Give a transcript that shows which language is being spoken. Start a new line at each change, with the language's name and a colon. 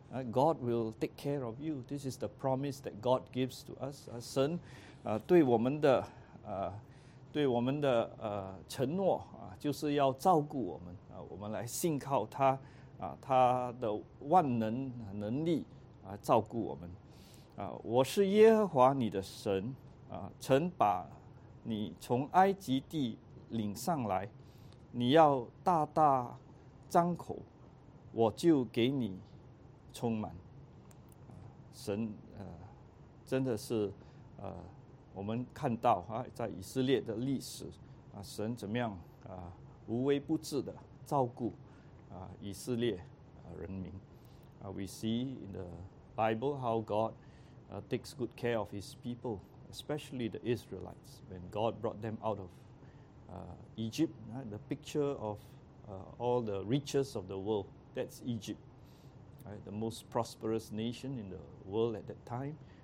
English: God will take care of you. This is the promise that God gives to us.
Chinese: 神对我们的承诺就是要照顾我们，我们来信靠他，他的万能能力照顾我们。我是耶和华你的神，曾把你从埃及地领上来，你要大大张口，我就给你充满。神真的是我们看到在以色列的历史神怎么样无微不至的照顾以色列人民。
English: We see in the Bible how God takes good care of his people, especially the Israelites, when God brought them out of Egypt, the picture of all the riches of the world, that's Egypt. right, the most prosperous nation in the world at that time.